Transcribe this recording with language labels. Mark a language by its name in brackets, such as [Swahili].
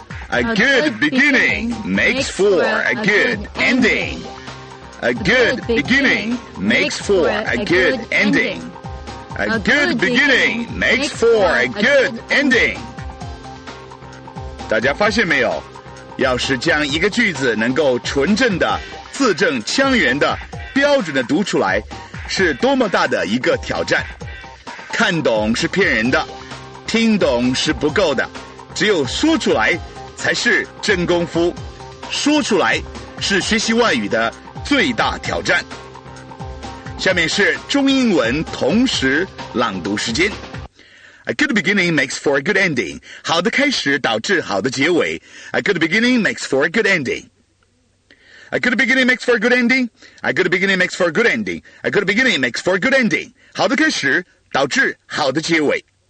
[English] A good beginning makes for a good ending. A good beginning makes for a good ending. A good beginning makes for a good ending. [Chinese] 大家发现没有？要是将一个句子能够纯正的、字正腔圆的、标准的读出来，是多么大的一个挑战！看懂是骗人的，听懂是不够的，只有说出来才是真功夫。说出来是学习外语的最大挑战。下面是中英文同时朗读时间。 [English] A good beginning makes for a good ending. [Chinese] 好的开始导致好的结尾。 [English] A good beginning makes for a good ending. A good beginning makes for a good ending. A good beginning makes for a good ending. A good beginning makes for a good ending. [Chinese] 好的开始导致好的结尾。